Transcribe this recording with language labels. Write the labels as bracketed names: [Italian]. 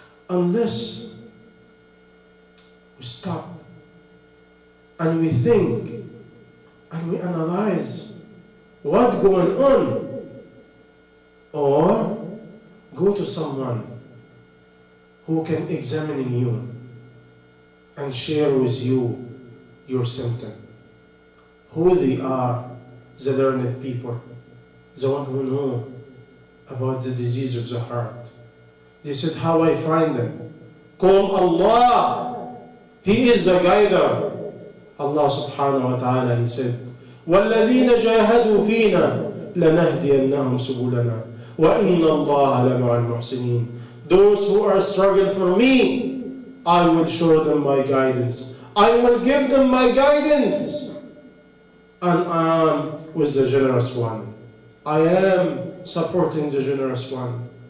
[English] Unless we stop and we think and we analyze what's going on, or go to someone who can examine you and share with you your symptom, who they are, the learned people, the one who know about the disease of the heart. They said, how I find them? Call Allah. He is the guider. [Arabic] Allah subhanahu wa ta'ala, [English] He said, [Arabic] وَالَّذِينَ جَاهَدُوا فِينَا لَنَهْدِيَنَّهُمْ سُبُولَنَا وَإِنَّ اللَّهَ لَمَعَ الْمُحْسِنِينَ. [English] Those who are struggling for me, I will show them my guidance. I will give them my guidance. And I am with the generous one. I am supporting the generous one.